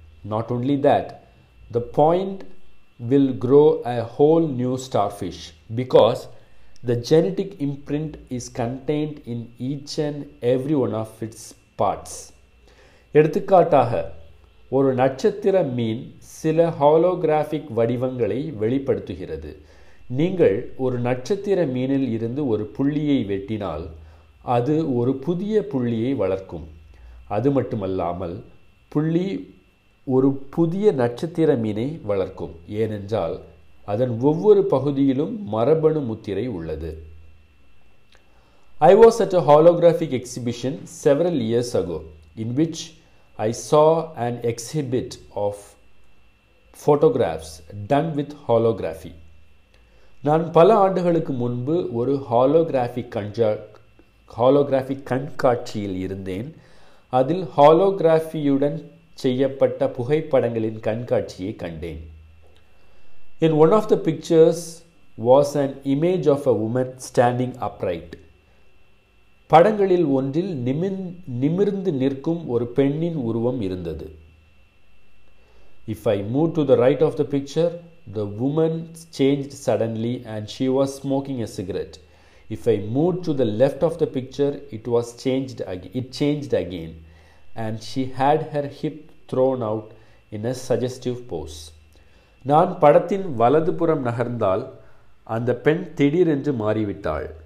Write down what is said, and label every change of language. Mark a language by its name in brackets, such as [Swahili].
[English] Not only that, the point will grow a whole new starfish because the genetic imprint is contained in each and every one of its parts. [Tamil] எடுத்துக்காட்டாக, ஒரு நட்சத்திர மீன் சில holographic வடிவங்களை வெளிப்படுத்துகிறது. நீங்கள் ஒரு நட்சத்திர மீனில் இருந்து ஒரு புள்ளியை வெட்டினால் அது ஒரு புதிய புள்ளியை வளர்க்கும். அது மட்டுமல்லாமல், புள்ளி ஒரு புதிய நட்சத்திர மீனை வளர்க்கும், ஏனென்றால் அதன் ஒவ்வொரு பகுதியிலும் மரபணு முத்திரை உள்ளது. [English] I was at a holographic exhibition several years ago in which I saw an exhibit of photographs done with holography. [Tamil] நான் பல ஆண்டுகளுக்கு முன்பு ஒரு ஹாலோகிராஃபிக் கண்காட்சியில் இருந்தேன். அதில் ஹாலோகிராஃபியுடன் செய்யப்பட்ட புகைப்படங்களின் கண்காட்சியை கண்டேன். [English] In one of the pictures was an image of a woman standing upright. [Tamil] படங்களில் ஒன்றில் நிமிர்ந்து நிற்கும் ஒரு பெண்ணின் உருவம் இருந்தது. [English] If I moved to the right of the picture, the woman changed suddenly and she was smoking a cigarette. If I moved to the left of the picture, it changed again and she had her hip thrown out in a suggestive pose. [Tamil] நான் படத்தின் வலதுபுறம் நகர்ந்தால் அந்த பெண் திடீரென்று மாறிவிட்டாள்.